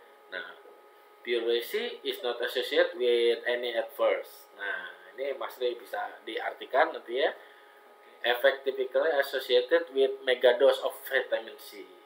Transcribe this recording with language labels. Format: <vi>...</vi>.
<en>Nah, Pyruvate is not associated with any adverse.</en> <id>Nah, ini Mas Rey bisa diartikan nanti ya.</id> <en>Okay. Effect typically associated with mega dose of vitamin C.</en>